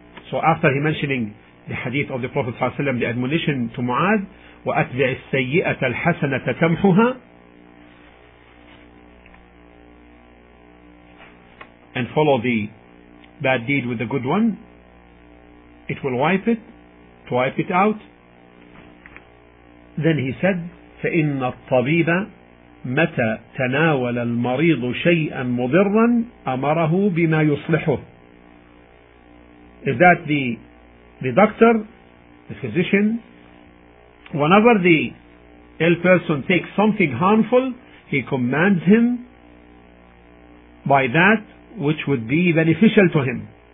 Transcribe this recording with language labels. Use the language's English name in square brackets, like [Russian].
[English] So after he mentioning the hadith of the Prophet ﷺ, the admonition to Mu'adh, [Arabic] وَأَتْبِعِ السَّيِّئَةَ الْحَسَنَةَ تَمْحُهَا, [English] and follow the bad deed with the good one, it will wipe it, to wipe it out. Then he said, [Arabic] فَإِنَّ الطَّبِيبَ متى تناول المريض شيئا مضرا أمره بما يصلحه. [English] Is that the doctor, the physician, whenever the ill person takes something harmful, he commands him by that which would be beneficial to him.